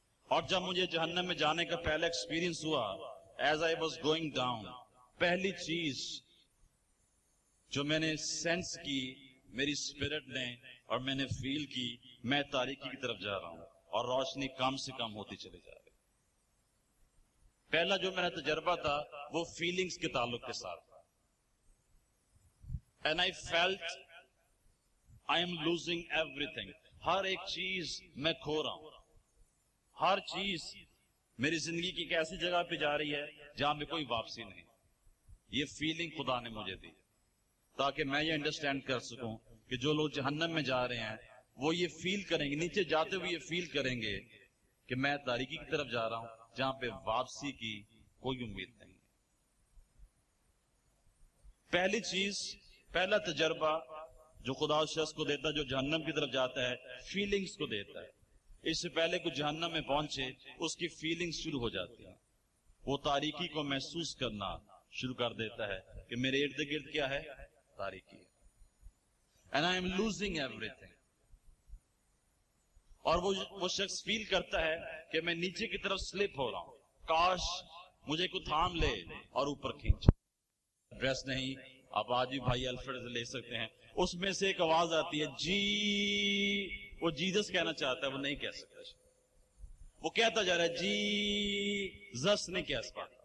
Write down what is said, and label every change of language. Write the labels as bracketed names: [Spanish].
[Urdu] اور جب مجھے جہنم میں جانے کا پہلا ایکسپیرینس ہوا, [English] as I was going down, [Urdu] پہلی چیز جو میں نے سینس کی, میری اسپرٹ نے اور میں نے فیل کی, میں تاریکی کی طرف جا رہا ہوں اور روشنی کم سے کم ہوتی چلی جا رہی. پہلا جو میرا تجربہ تھا وہ فیلنگز کے تعلق کے ساتھ. [English] And I felt I am losing everything. [Urdu] ہر ایک چیز میں کھو رہا ہوں. ہر چیز میری زندگی کی ایک ایسی جگہ پہ جا رہی ہے جہاں میں کوئی واپسی نہیں. یہ فیلنگ خدا نے مجھے دی تاکہ میں یہ انڈرسٹینڈ کر سکوں کہ جو لوگ جہنم میں جا رہے ہیں وہ یہ فیل کریں گے, نیچے جاتے ہوئے یہ فیل کریں گے کہ میں تاریکی کی طرف جا رہا ہوں جہاں پہ واپسی کی کوئی امید نہیں. پہلی چیز, پہلا تجربہ جو خدا اس شخص کو دیتا ہے جو جہنم کی طرف جاتا ہے, فیلنگز کو دیتا ہے. اس سے پہلے کوئی جہنم میں پہنچے اس کی فیلنگز شروع ہو جاتی ہیں, وہ تاریکی کو محسوس کرنا شروع کر دیتا ہے کہ میرے ارد گرد کیا ہے, تاریکی. [English] And I am losing everything. [Urdu] اور وہ شخص فیل کرتا ہے کہ میں نیچے کی طرف سلپ ہو رہا ہوں, کاش مجھے کوئی تھام لے اور اوپر کھینچ. ڈریس نہیں, آپ آج بھی بھائی الفرڈ سے لے سکتے ہیں. اس میں سے ایک آواز آتی ہے, جی. وہ جیزس کہنا چاہتا ہے, وہ نہیں کہہ سکتا. وہ کہتا جا رہا ہے جیزس, نہیں کہہ سکتا.